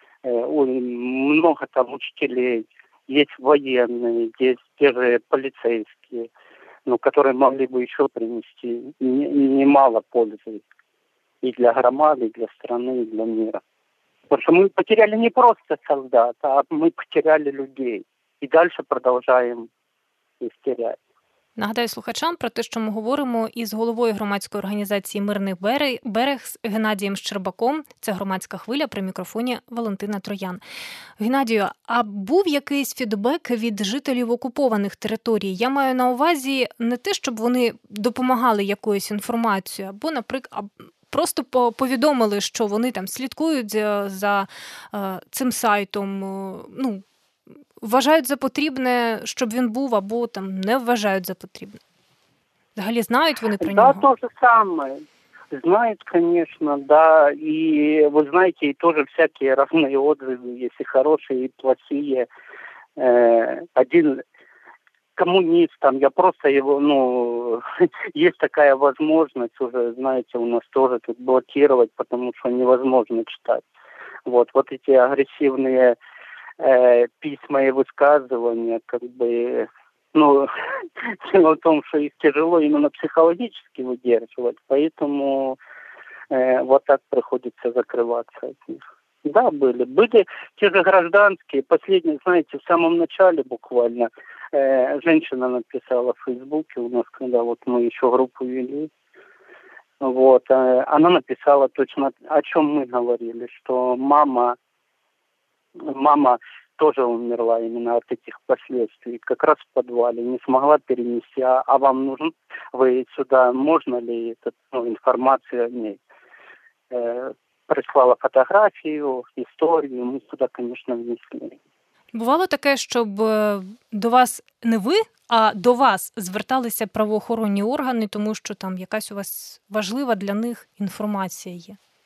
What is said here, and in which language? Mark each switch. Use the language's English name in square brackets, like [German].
[Russian] Много там учителей, есть военные, есть те же полицейские, ну, которые могли бы еще принести немало пользы и для громады, и для страны, и для мира. Потому что мы потеряли не просто солдат, а мы потеряли людей. И дальше продолжаем их терять. [Ukrainian] Нагадаю слухачам про те, що ми говоримо із головою громадської організації «Мирний берег» з Геннадієм Щербаком. Це громадська хвиля, при мікрофоні Валентина Троян. Геннадію, а був якийсь фідбек від жителів окупованих територій? Я маю на увазі не те, щоб вони допомагали якоюсь інформацією, або, наприклад, просто повідомили, що вони там слідкують за цим сайтом, ну, вважають за потрібне, щоб він був, або там не вважають за потрібне. Взагалі знають вони про нього? Так, то же саме. Знають, звісно, да. І ви знаєте, і теж всякі різні відгуки, якщо хороші, і плохі. Один комуніст, там, я просто його, ну, є така можливість уже, знаєте, у нас теж тут блокувати, тому що невозможно читати. [Russian] Вот, вот эти агресивные письма и высказывания, как бы, ну, дело в том, что их тяжело именно психологически выдерживать, поэтому вот так приходится закрываться от них. Да, были. Были те же гражданские, последние, знаете, в самом начале буквально, женщина написала в Фейсбуке у нас, когда вот мы еще группу вели, вот, она написала точно, о чем мы говорили, что мама тоже умерла именно от этих последствий, как раз в подвале, не смогла перенести, а вам нужен, вы сюда, можно ли этот, ну, информацию о ней? Прислала фотографию, историю, мы сюда, конечно, внесли. [Ukrainian] Бувало таке, щоб до вас не ви, а до вас зверталися правоохоронні органи, тому що там якась у вас важлива для них інформація є?